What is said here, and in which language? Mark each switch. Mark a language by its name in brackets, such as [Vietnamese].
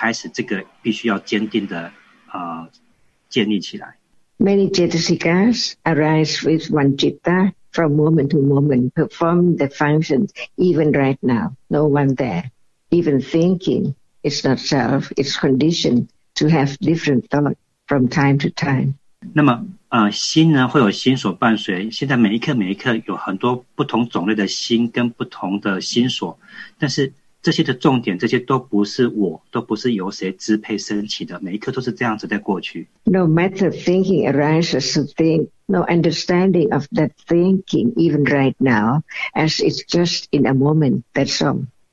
[Chinese] 那么因为智慧的累积有非常非常多不同的层次哦，那在我们理智上的了解的过程中，我们一定还是在有某个东西，某个人的这种很容易会在这种的状况里。那所以我们其实一开始很正确的了解，并没有人没有我。为什么老师这么强调？是因为一开始这个必须要坚定的。建立起来. [English] Many jetasikas arise with one jitta from moment to moment, perform the functions even right now. No one there. Even thinking is not self, it's conditioned to have different thoughts from time to time. [Chinese] 那么心呢会有心所伴随，现在每一刻每一刻有很多不同种类的心跟不同的心所，但是 这些的重点，这些都不是我，都不是由谁支配升起的。每一刻都是这样子在过去。 [English] No matter thinking arises to think, no understanding of that thinking even right now, as it's just in a moment, that's all.